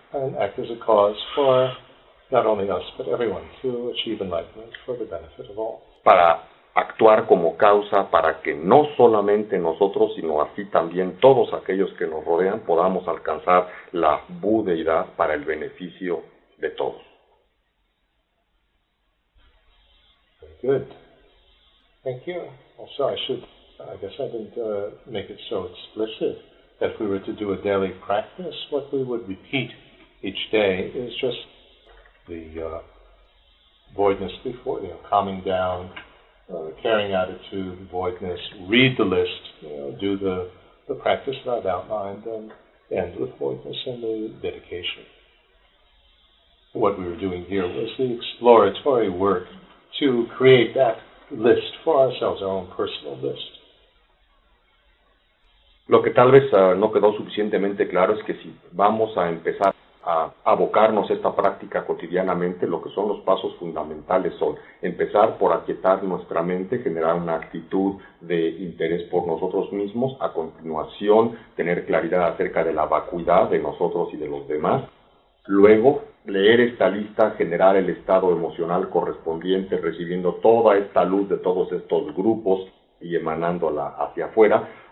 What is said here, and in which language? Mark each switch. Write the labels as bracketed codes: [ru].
[en] And act as a cause for not only us, but everyone to achieve enlightenment for the benefit of all. [es] Para actuar como causa para que no solamente nosotros, sino así también todos aquellos que nos rodean, podamos alcanzar la budeidad para el beneficio de todos. [en] Good. Thank you. Also, I guess I didn't make it so explicit that if we were to do a daily practice, what we would repeat each day is just the voidness before, you know, calming down, caring attitude, voidness, read the list, you know, do the practice that I've outlined, and end with voidness and the dedication. What we were doing here was the exploratory work to create that list for ourselves, our own personal list. [es] Lo que tal vez no quedó suficientemente claro es que si vamos a empezar a abocarnos a esta práctica cotidianamente, lo que son los pasos fundamentales son empezar por aquietar nuestra mente, generar una actitud de interés por nosotros mismos, a continuación tener claridad acerca de la vacuidad de nosotros y de los demás, luego leer esta lista, generar el estado emocional correspondiente, recibiendo toda esta luz de todos estos grupos y emanándola hacia afuera,